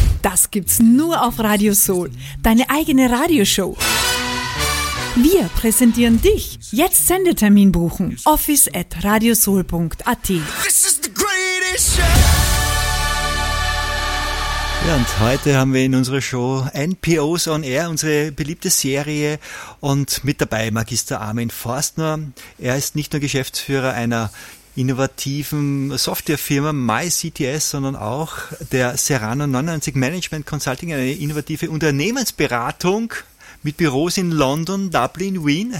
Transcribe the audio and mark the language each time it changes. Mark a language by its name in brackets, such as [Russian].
[German] Das gibt's nur auf Radio Soul. Deine eigene Radioshow. Wir präsentieren dich. Jetzt Sendetermin buchen. office@radiosoul.at. [English] This is the greatest show. [German] Ja, und heute haben wir in unserer Show NPOs on Air, unsere beliebte Serie, und mit dabei Magister Armin Forstner. Er ist nicht nur Geschäftsführer einer innovativen Softwarefirma MyCTS, sondern auch der Serrano 99 Management Consulting, eine innovative Unternehmensberatung mit Büros in London, Dublin, Wien.